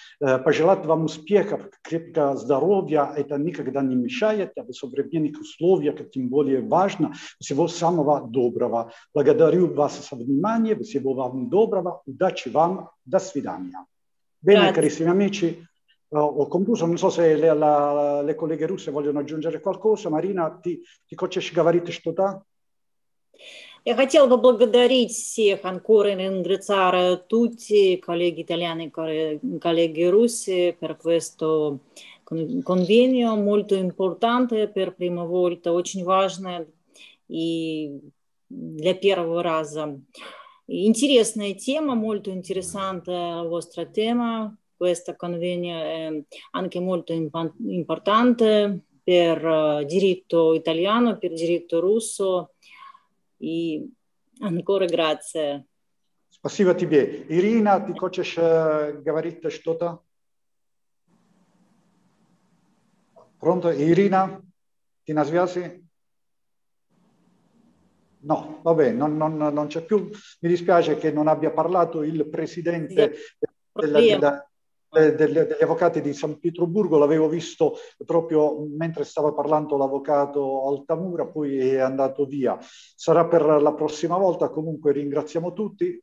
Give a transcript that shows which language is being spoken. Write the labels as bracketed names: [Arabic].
[Russian] Пожелать вам успехов, крепкого здоровья, это никогда не мешает, а в современных условиях, тем более важно, всего самого доброго. Благодарю вас за внимание, всего вам доброго, удачи вам, до свидания. [Italian] Bene, carissimi amici. Ho concluso, non so se le colleghe russe vogliono aggiungere qualcosa. [Russian] Marina, ti хочеш говорити что-то? Я хотела бы благодарить всех, [Italian] ancora ringraziare tutti i colleghi italiani, colleghi russi per questo convegno molto importante per prima volta, [Russian] очень важное и для первого раза. Интересная тема, [Italian] molto interessante la vostra tema. Questo convegno è anche molto importante per diritto italiano, per diritto russo. E ancora grazie. [Russian] Спасибо тебе. Ирина, ты хочешь говорить что-то? Pronto, Ирина? Ты на связи? [Italian] No, vabbè, non c'è più. Mi dispiace che non abbia parlato il presidente degli avvocati di San Pietroburgo, l'avevo visto proprio mentre stava parlando l'avvocato Altamura, poi è andato via. Sarà per la prossima volta, comunque ringraziamo tutti.